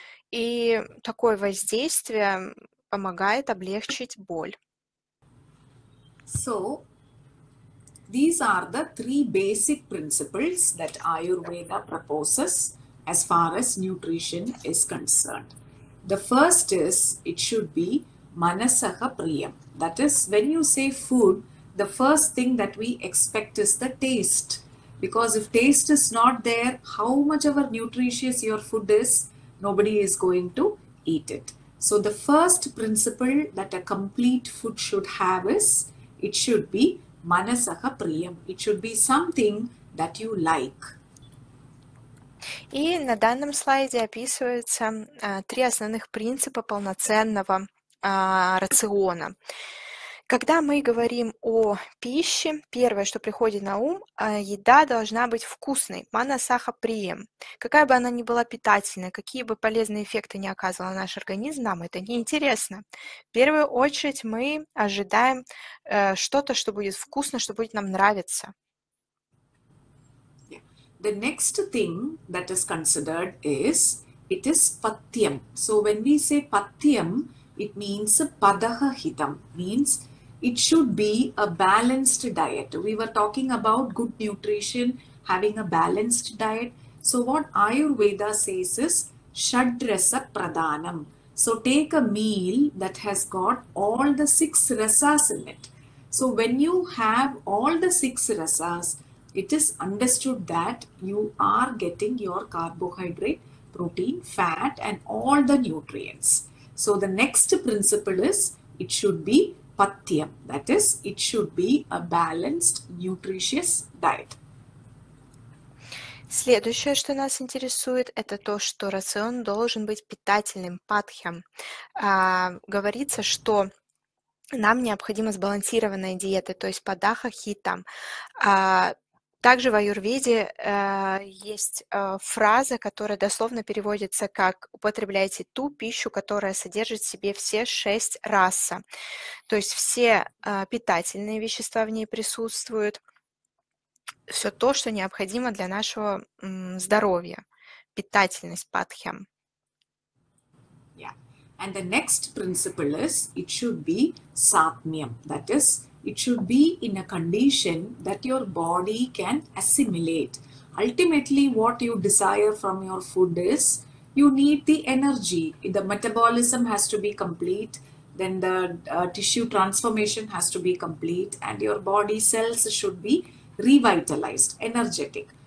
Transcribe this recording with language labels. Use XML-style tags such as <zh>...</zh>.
<ru>И такое воздействие помогает облегчить боль.</ru> <en>So, these are the three basic principles that Ayurveda proposes as far as nutrition is concerned. The first is, it should be manasaha priyam. That is, when you say food, the first thing that we expect is the taste. Because if taste is not there, how much ever nutritious your food is, nobody is going to eat it. So, the first principle that a complete food should have is, it should be manasaha priyam. It should be something that you like.</en> <ru>И на данном слайде описываются три основных принципа полноценного рациона. Когда мы говорим о пище, первое, что приходит на ум, еда должна быть вкусной, манасаха прием. Какая бы она ни была питательной, какие бы полезные эффекты ни оказывала наш организм, нам это неинтересно. В первую очередь мы ожидаем что-то, что будет вкусно, что будет нам нравиться.</ru> <en>The next thing that is considered is, it is patyam. So when we say patyam, it means padaha hitam, means it should be a balanced diet. We were talking about good nutrition, having a balanced diet. So what Ayurveda says is shadrasa pradhanam. So take a meal that has got all the six rasas in it. So when you have all the six rasas, it is understood that you are getting your carbohydrate, protein, fat and all the nutrients. So the next principle is, it should be patyam, that is, it should be a balanced, nutritious diet.</en> <ru>Следующее, что нас интересует, это то, что рацион должен быть питательным, патхям. Говорится, что нам необходима сбалансированная диета, то есть падаха хитам. Также в аюрведе есть фраза, которая дословно переводится как «употребляйте ту пищу, которая содержит в себе все шесть раса». То есть все питательные вещества в ней присутствуют, все то, что необходимо для нашего здоровья. Питательность, патхям. Yeah.</ru> <en>And the next principle is, it should be satmyam, that is, it should be in a condition that your body can assimilate. Ultimately, what you desire from your food is you need the energy. The metabolism has to be complete, then the tissue transformation has to be complete, and your body cells should be revitalized, energetic.</en>